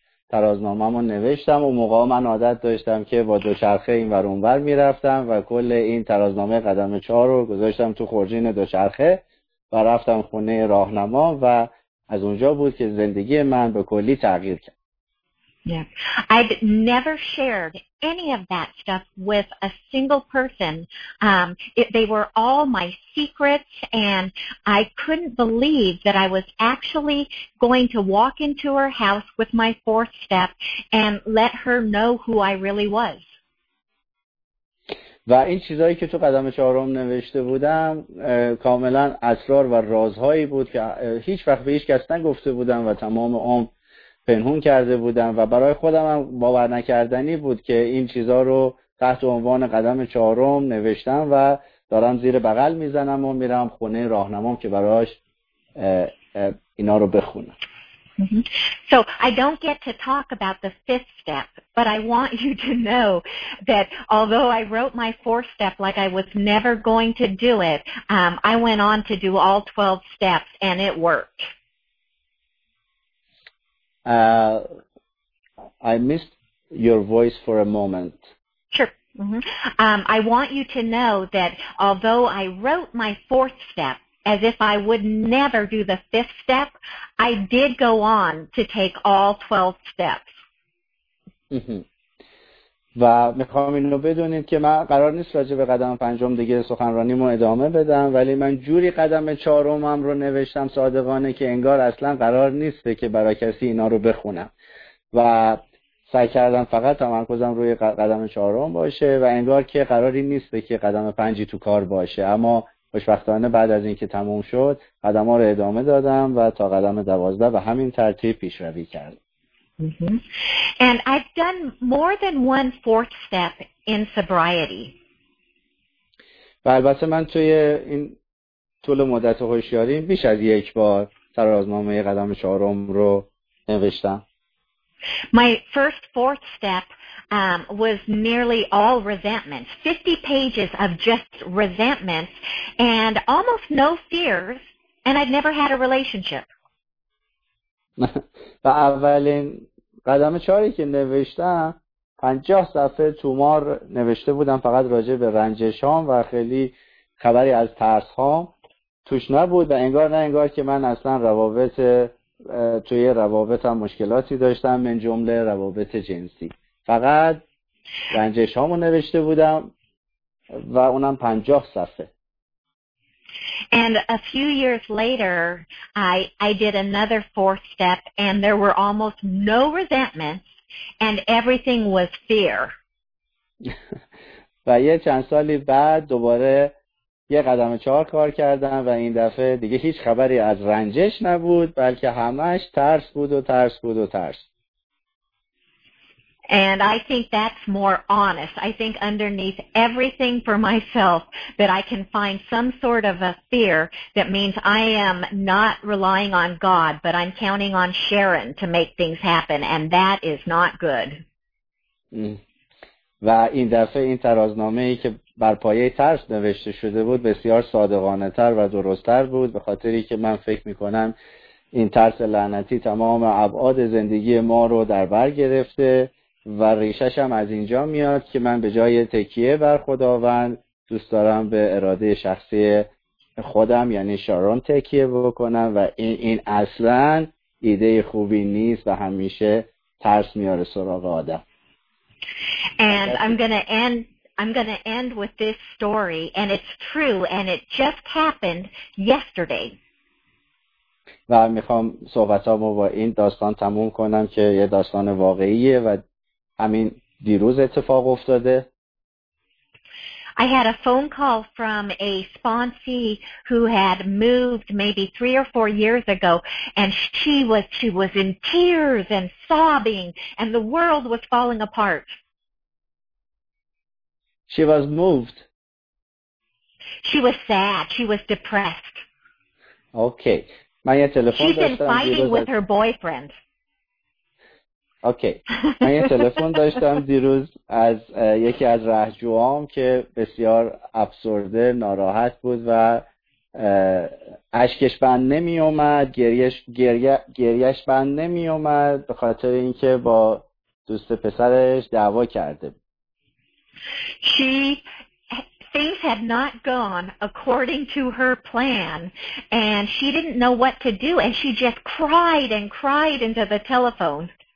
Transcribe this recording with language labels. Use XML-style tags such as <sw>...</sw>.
<fa>ترازنامه‌مو نوشتم و موقعا من عادت داشتم که با دوچرخه این ور اون ور میرفتم و کل این ترازنامه قدم 4 رو گذاشتم تو خورجین دوچرخه و رفتم خونه راهنما و از اونجا بود که زندگی من به کلی تغییر کرد.</fa> <en>Yeah. I'd never shared any of that stuff with a single person. They were all my secrets, and I couldn't believe that I was actually going to walk into her house with my fourth step and let her know who I really was.</en> <fa>و این چیزایی که تو قدم چهارم نوشته بودم کاملا اسرار و رازهایی بود که هیچ وقت به هیچ کس نگفته بودم و تمام عمر پنهون کرده بودم و برای خودم هم باور نکردنی بود که این چیزا رو تحت عنوان قدم چهارم نوشتم و دارم زیر بغل میزنم و میرم خونه راهنمام که برایش اینا رو بخونم. Mm-hmm.</fa> <en>So I don't get to talk about the fifth step, but I want you to know that although I wrote my fourth step like I was never going to do it, I went on to do all 12 steps and it worked. I missed your voice for a moment. Sure. Mm-hmm. I want you to know that although I wrote my fourth step as if I would never do the fifth step, I did go on to take all 12 steps.</en> <fa>و میخوام اینو بدونید که من قرار نیست راجع به قدم پنجم دیگه سخنرانیمو ادامه بدم، ولی من جوری قدم چهارمم رو نوشتم صادقانه که انگار اصلا قرار نیسته که برای کسی اینا رو بخونم و سعی کردم فقط تمرکزم روی قدم چهارم باشه و انگار که قراری نیسته که قدم پنجی تو کار باشه، اما خوشبختانه بعد از اینکه تموم شد قدم ها رو ادامه دادم و تا قدم 12 به همین ترتیب پیش روی کردم. Mm-hmm.</fa> <en>And I've done more than one fourth step in sobriety.</en> <fa>و البته من توی این طول مدت هوشیاری بیش از یک بار ترازنامه قدم چهارم رو نوشتم.</fa> <en>My first fourth step was nearly all resentments. 50 pages of just resentments and almost no fears, and I'd never had a relationship.</en> <fa>و اولین قدم چهاری که نوشتم 50 صفحه تومار نوشته بودم فقط راجع به رنجشام و خیلی خبری از ترسهام توش نبود و انگار نه انگار که من اصلا روابط توی روابطم مشکلاتی داشتم من جمله روابط جنسی، فقط رنجشامو نوشته بودم و اونم 50 صفحه.</fa> <en>And a few years later, I did another fourth step, and there were almost no resentments, and everything was fear.</en> <fa>و یه چند سالی بعد دوباره یه قدم چهار کار کردم و این دفعه دیگه هیچ خبری از رنجش نبود، بلکه همش ترس بود و ترس بود و ترس.</fa> <en>And I think that's more honest. I think underneath everything for myself that I can find some sort of a fear that means I am not relying on God, but I'm counting on Sharon to make things happen, and that is not good.</en> <fa>و این دفعه این ترازنامه‌ای که بر پایه ترس نوشته شده بود بسیار صادقانه‌تر و درست‌تر بود، به خاطری که من فکر می‌کنم این ترس لعنتی تمام ابعاد زندگی ما رو در بر گرفته و ریشش هم از اینجا میاد که من به جای تکیه بر خداوند دوست دارم به اراده شخصی خودم یعنی شارون تکیه بکنم و این اصلا ایده خوبی نیست و همیشه ترس میاره سراغ آدم.</fa> <en>And I'm gonna end with this story and it's true and it just happened yesterday.</en> <fa>و میخوام صحبتامو با این داستان تموم کنم که یه داستان واقعیه و همین دیروز اتفاق افتاده.</fa> <en>I had a phone call from a sponsee who had moved maybe 3 or 4 years ago and she was in tears and sobbing and the world was falling apart. She was moved. She was sad, she was depressed.</en> <fa>Okay. من یه تلفن داشتم.</fa> <en>She's been fighting with her boyfriend.</en> <fa>اوکی. من یه تلفن داشتم دیروز از یکی از رهجوام که بسیار افسرده ناراحت بود و اشکش بند نمی اومد، گریش بند نمی اومد به خاطر اینکه با دوست پسرش دعوا کرده بود.</fa> <en>Things had not gone according to her plan and she didn't know what to do and she just cried and cried into the telephone.</en>